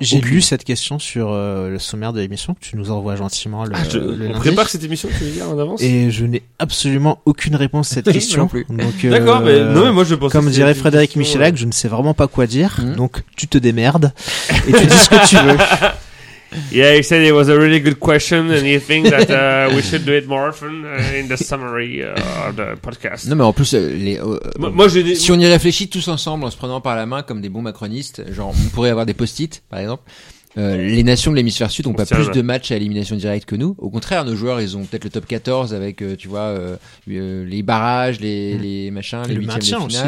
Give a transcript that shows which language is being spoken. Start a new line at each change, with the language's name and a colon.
French: J'ai lu cette question sur le sommaire de l'émission que tu nous envoies gentiment. On prépare cette émission, tu veux dire, en avance. Et je n'ai absolument aucune réponse à cette question. D'accord. Non, mais moi je pense comme dirait Frédéric Michelac, je ne sais vraiment pas quoi dire, donc tu te démerdes et tu dis ce que tu veux.
English: Yeah, he said it was a really good question, and he thinks that we should do it more often in the summary of the podcast.
French: Non, mais en plus, si on y réfléchit tous ensemble en se prenant par la main comme des bons macronistes, genre on pourrait avoir des post-it, par exemple. Les nations de l'hémisphère sud n'ont pas plus de matchs à élimination directe que nous. Au contraire, nos joueurs, ils ont peut-être le top 14 avec, tu vois, les barrages, les machins, les huitièmes de finale,